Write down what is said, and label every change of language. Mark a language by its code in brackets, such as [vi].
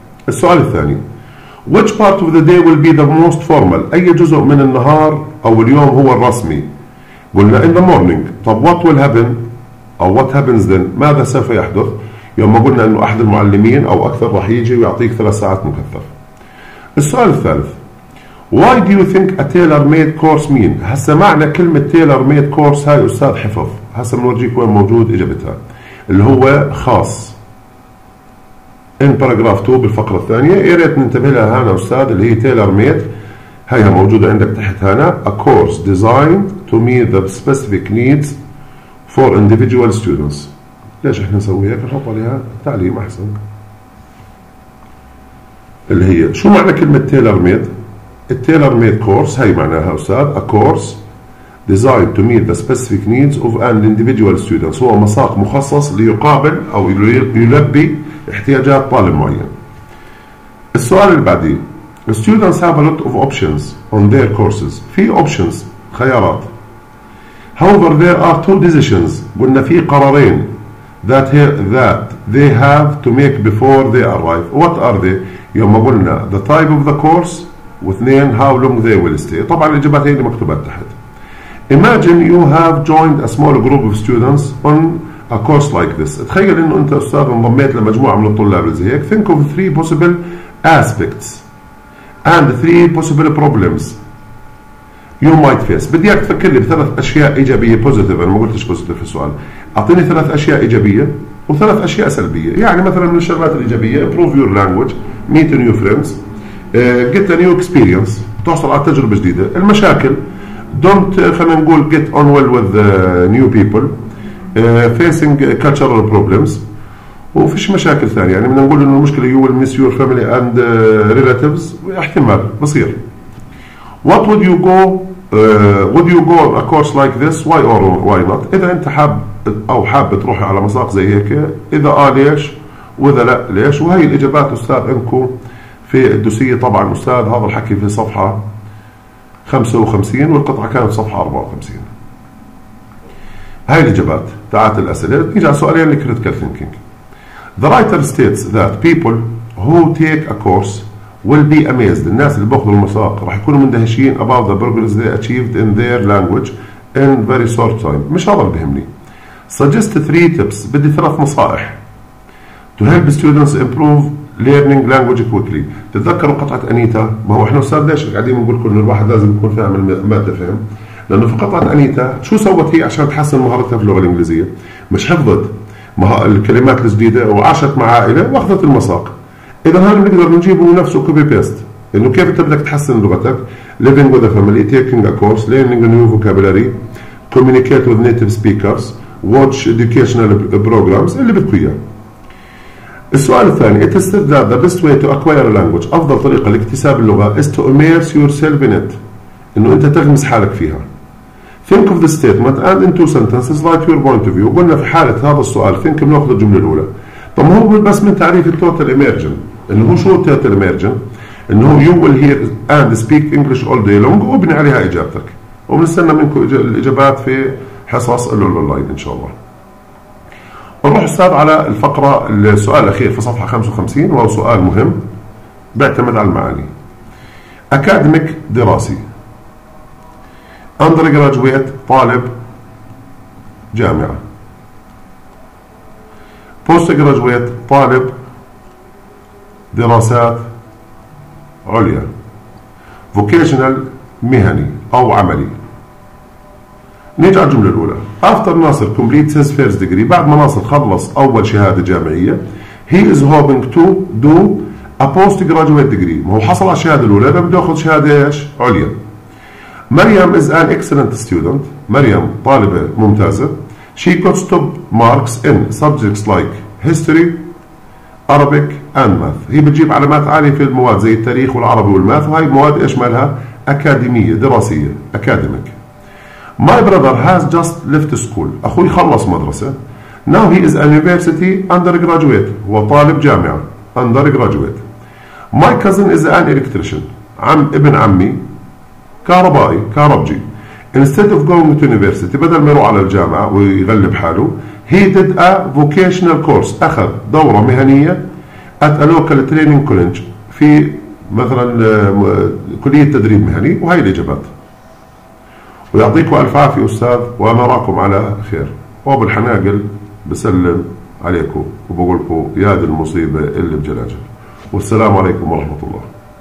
[ar] السؤال الثاني، [en] which part of the day will be the most formal، [ar] أي جزء من النهار أو اليوم هو الرسمي؟ قلنا [en] in the morning. [ar] طب [en] what will happen [ar] أو [en] what happens then، [ar] ماذا سوف يحدث؟ يوم ما قلنا أنه أحد المعلمين أو أكثر راح يجي ويعطيك ثلاث ساعات مكثف. السؤال الثالث، [en] why do you think a tailor made course mean؟ [ar] هسا معنى كلمة tailor made course هاي أستاذ حفظ، هسا منورجيك وين موجود إجابتها، اللي هو خاص [en] in paragraph 2 [ar] بالفقرة الثانية. يا ريت ننتبه لها هنا أستاذ، اللي هي تيلر ميد، هي موجودة عندك تحت هنا، [en] a course designed to meet the specific needs for individual students. [ar] ليش احنا نسويها؟ نحط عليها تعليم أحسن، اللي هي شو معنى كلمة تيلر ميد؟ التيلر ميد كورس هي معناها أستاذ [en] a course designed to meet the specific needs of an individual students، [ar] هو مساق مخصص ليقابل أو يلبي احتياجات طالب معين. [en] السؤال اللي بعدي، students have a lot of options on their courses، في options [ar] خيارات، [en] however there are two decisions، [ar] قلنا في قرارين [en] that they have to make before they arrive، what are they؟ [ar] يوم ما قلنا [en] the type of the course، [ar] واثنين [en] how long they will stay. [ar] طبعا الإجابات هي اللي مكتوبة تحت. [en] Imagine you have joined a small group of students on a course like this. [ar] تخيل انه انت استاذ انضميت لمجموعة من الطلاب زي هيك. [en] Think of three possible aspects and three possible problems you might face. [ar] بدي اياك تفكر لي بثلاث اشياء ايجابيه positive. انا ما قلتش positive في السؤال. اعطيني ثلاث اشياء ايجابيه وثلاث اشياء سلبيه. يعني مثلا من الشغلات الايجابيه [en] improve your language, meet new friends, get a new experience, [ar] تحصل على تجربه جديده. المشاكل [en] don't [ar] خلينا نقول [en] get on well with new people, facing cultural problems. [ar] وفيش مشاكل ثانية. يعني من نقول إنه المشكلة [en] you will miss your family and relatives. [ar] احتمال بصير. [en] What would you go would you go on a course like this? Why or why not? [ar] إذا أنت حاب أو حاب تروح على مساق زي هيك, إذا ليش وإذا لا ليش. وهي الإجابات أستاذ عندكم في الدوسية. طبعا أستاذ هذا الحكي في صفحة 55 والقطعة كانت صفحة 54. هاي الإجابات تاعت الأسئلة. نيجي على سؤالين للكريتيكال ثينكينج. [en] The writer states that people who take a course will be amazed. [ar] الناس اللي بأخذوا المساق راح يكونوا مندهشين [en] about the progress they achieved in their language in very short time. [ar] مش هذا اللي بهمني. [en] Suggest three tips. [ar] بدي ثلاث نصائح [en] to help students improve learning language quickly. [ar] تتذكروا قطعة أنيتا؟ ما هو إحنا أستاذ ليش قاعدين نقول لكم إن الواحد لازم يكون فاهم المادة فهم؟ لأنه في قطعة أنيتا شو سوت هي عشان تحسن مهارتها في اللغة الإنجليزية؟ مش حفظت الكلمات الجديدة وعاشت مع عائلة واخذت المساق. إذا هذا بنقدر نجيبه نفسه كوبي بيست. إنه كيف أنت بدك تحسن لغتك؟ [en] living with a family, taking a course, learning a new vocabulary, communicate with native speakers, watch educational programs, [ar] اللي بدك إياه. [en] السؤال الثاني, it is said that the best way to acquire a language, [ar] أفضل طريقة لاكتساب اللغة, [en] is to immerse yourself in it. [ar] إنه أنت تغمس حالك فيها. [en] Think of the statement and in two sentences write your point of view. [ar] قلنا في حالة هذا السؤال think بناخذ الجملة الأولى. طب هو بس من تعريف total immersion. إنه هو شو [en] total immersion؟ إنه you will hear and speak English all day long. [ar] وبني عليها إجابتك. وبنستنى منكم الإجابات في حصص الأونلاين إن شاء الله. ونروح أستاذ على الفقرة السؤال الأخير في صفحة 55 وهو سؤال مهم بيعتمد على المعاني. أكاديميك دراسي. Undergraduate طالب جامعة. Postgraduate طالب دراسات عليا. Vocational مهني أو عملي. نيجي على الجملة الأولى. [en] After Nasser completes his first degree, [ar] بعد ما ناصر خلص أول شهادة جامعية, [en] he is hoping to do a postgraduate degree. [ar] ما هو حصل على الشهادة الأولى, ده بده ياخذ شهادة إيش؟ عليا. [en] مريم is an excellent student. [ar] مريم طالبة ممتازة. [en] She got top marks in subjects like history, Arabic and math. [ar] هي بتجيب علامات عالية في المواد زي التاريخ والعربي والماث. وهي مواد إيش مالها؟ أكاديمية دراسية. [en] Academic. My brother has just left school. [ar] أخوي خلص مدرسة. [en] Now he is a university undergraduate. [ar] هو طالب جامعة. Undergraduate. [en] My cousin is an electrician. [ar] عم ابن عمي كهربائي, كهربجي. [en] Instead of going to university, [ar] بدل ما يروح على الجامعة ويغلب حاله, [en] he did a vocational course. [ar] أخذ دورة مهنية [en] at a local training college [ar] في مثلا كلية تدريب مهني. وهي الإجابات. ويعطيكم ألف عافية أستاذ ونراكم على خير. وأبو الحناقل بسلم عليكم وبقولكم يا دي المصيبة اللي بجلاجل. والسلام عليكم ورحمة الله.